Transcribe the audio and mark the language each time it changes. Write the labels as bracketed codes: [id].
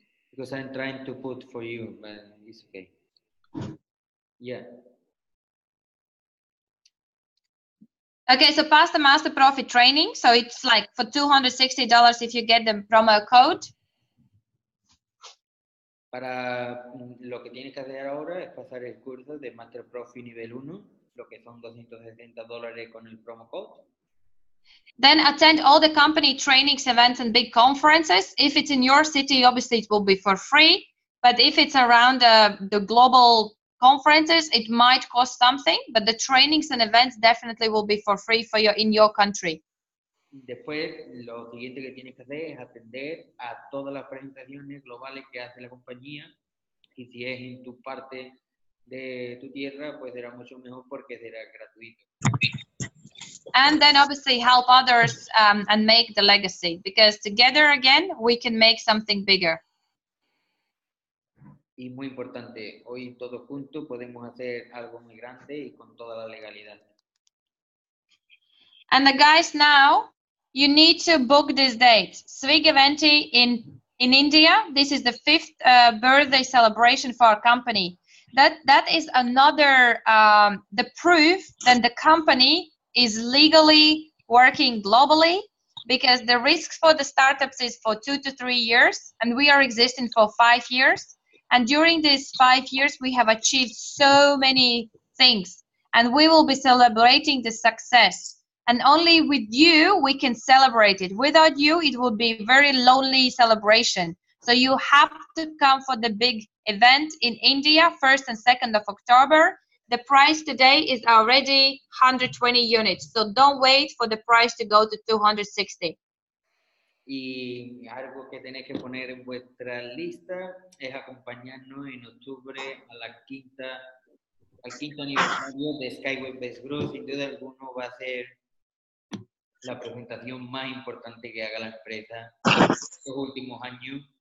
[en] Because I'm trying to put for you, but it's okay. Yeah. Okay, so pass the Master Profi training. So it's like for $260 if you get the promo code. [es] Para lo que tienes que hacer ahora es pasar el curso de Master Profi nivel 1, lo que son $260 con el promo code. [en] Then attend all the company trainings, events, and big conferences. If it's in your city, obviously it will be for free. But if it's around the global conferences, it might cost something, but the trainings and events definitely will be for free for you in your country. [es] Después, lo siguiente que tienes que hacer es atender a todas las presentaciones globales que hace la compañía. Y si es en tu parte de tu tierra, pues será mucho mejor porque será gratuito. [en] And then obviously help others and make the legacy, because together again, we can make something bigger. [es] Y muy importante, hoy todos juntos podemos hacer algo muy grande y con toda la legalidad. [en] And the guys, now you need to book this date. SWIG event in India, this is the fifth birthday celebration for our company. That is another the proof that the company is legally working globally, because the risk for the startups is for 2 to 3 years and we are existing for 5 years. And during these 5 years, we have achieved so many things. And we will be celebrating the success. And only with you, we can celebrate it. Without you, it will be a very lonely celebration. So you have to come for the big event in India, 1st and 2nd of October. The price today is already 120 units. So don't wait for the price to go to 260. [es] Y algo que tenéis que poner en vuestra lista es acompañarnos en octubre a la quinta, al quinto aniversario de SkyWay Best Growth. Sin duda alguno va a ser la presentación más importante que haga la empresa en los últimos años.